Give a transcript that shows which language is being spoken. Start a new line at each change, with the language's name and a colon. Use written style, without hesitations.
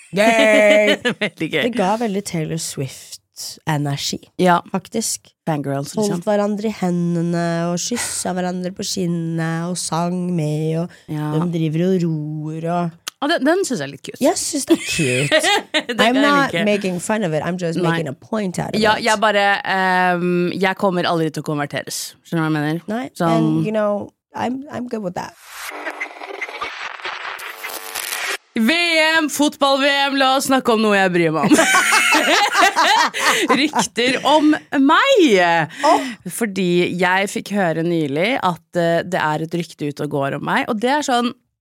English: Gay.
Norwegian: Det ga veldig Taylor Swift energi. Ja, faktisk. Fangirls, holdt liksom hverandre i hendene og kyssa hverandre på skinnet og sang med og de driver og roer og den synes jeg er litt kut. Jeg synes det er cute.
English: I'm not making fun of it, I'm just making a point out of it.
Norwegian: Jeg bare jeg kommer aldri til å konverteres. Skjønner du hva jeg mener?
English: Nei, and you know, I'm good with that.
Norwegian: VM, fotball-VM, la oss snakke om noe jeg bryr meg om. Rykter om meg. Fordi jeg fikk høre nylig at det et rykte ut og går om meg. Og det sånn